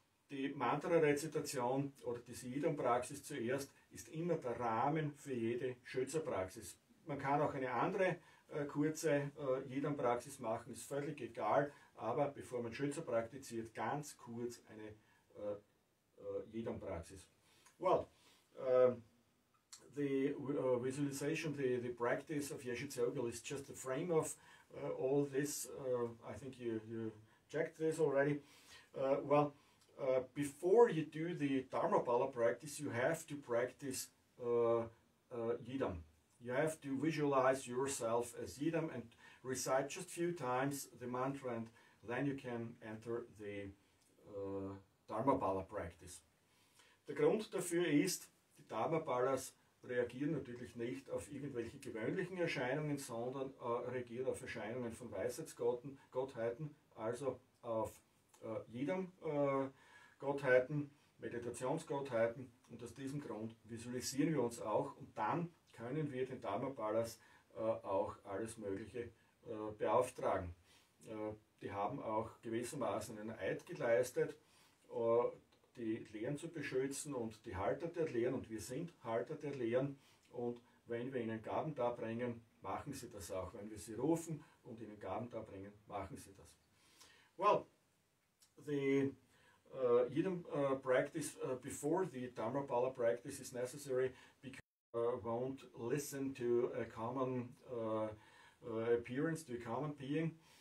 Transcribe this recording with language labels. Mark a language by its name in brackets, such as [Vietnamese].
[German] Die Mantra-Rezitation oder die Siddham-Praxis zuerst ist immer der Rahmen für jede Schützerpraxis. Man kann auch eine andere kurze Siddham-Praxis machen, ist völlig egal, aber bevor man Schützer praktiziert, ganz kurz eine Siddham-Praxis. Well, [English] the visualization, the practice of Yeshe Tseogyal is just the frame of all this. I think you checked this already. Before you do the Dharmapala practice, you have to practice Yidam. You have to visualize yourself as Yidam and recite just a few times the mantra, and then you can enter the Dharmapala practice. [German] Der Grund dafür ist, die Dharmapalas reagieren natürlich nicht auf irgendwelche gewöhnlichen Erscheinungen, sondern reagieren auf Erscheinungen von Weisheitsgottheiten, also auf Yidam Gottheiten, Meditationsgottheiten, und aus diesem Grund visualisieren wir uns auch, und dann können wir den Dharmapalas auch alles Mögliche beauftragen. Die haben auch gewissermaßen einen Eid geleistet, die Lehren zu beschützen und die Halter der Lehren, und wir sind Halter der Lehren, und wenn wir ihnen Gaben darbringen, machen sie das auch. Wenn wir sie rufen und ihnen Gaben darbringen, machen sie das. [English] Well, the Yidam practice before the Dharmapala practice is necessary because we won't listen to a common appearance, to a common being.